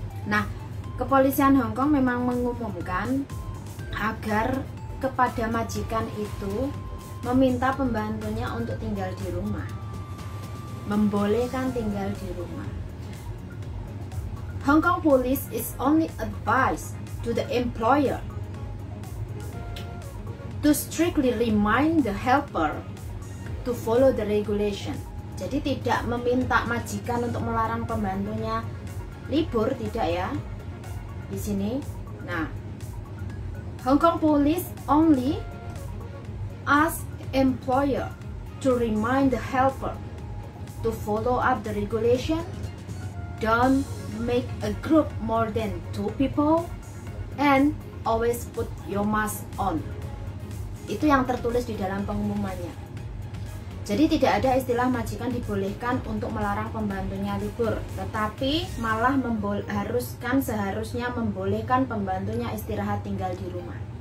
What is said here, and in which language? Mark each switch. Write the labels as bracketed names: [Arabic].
[Indonesian] Nah, kepolisian Hong Kong memang mengumumkan agar kepada majikan itu meminta pembantunya untuk tinggal di rumah. Membolehkan tinggal di rumah. [English] Hong Kong police is only advised to the employer to strictly remind the helper to follow the regulation. [Indonesian] Jadi tidak meminta majikan untuk melarang pembantunya libur, tidak ya di sini. [English] Nah, Hong Kong police only ask employer to remind the helper to follow up the regulation, don't make a group more than two people, and always put your mask on. [Indonesian] Itu yang tertulis di dalam pengumumannya. Jadi tidak ada istilah majikan dibolehkan untuk melarang pembantunya libur, tetapi malah seharusnya membolehkan pembantunya istirahat tinggal di rumah.